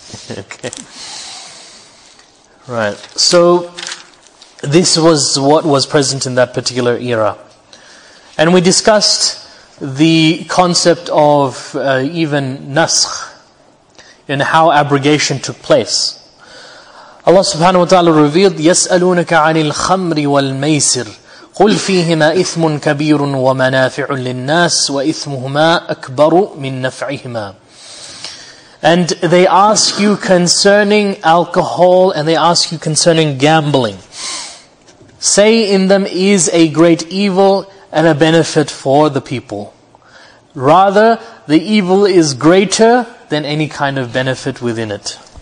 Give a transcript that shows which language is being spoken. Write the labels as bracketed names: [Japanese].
[English] Okay. Right. So, this was what was present in that particular era. And we discussed the concept of even naskh, and how abrogation took place. [Arabic] Allah subhanahu wa ta'ala revealed, يَسْأَلُونَكَ عَنِ الْخَمْرِ وَالْمَيْسِرِ قُلْ فِيهِمَا إِثْمٌ كَبِيرٌ وَمَنَافِعٌ لِلنَّاسِ وَإِثْمُهُمَا أَكْبَرُ مِنْ نَفْعِهِمَا. [English] And they ask you concerning alcohol, and they ask you concerning gambling. Say in them is a great evil and a benefit for the people. Rather, the evil is greater than any kind of benefit within it.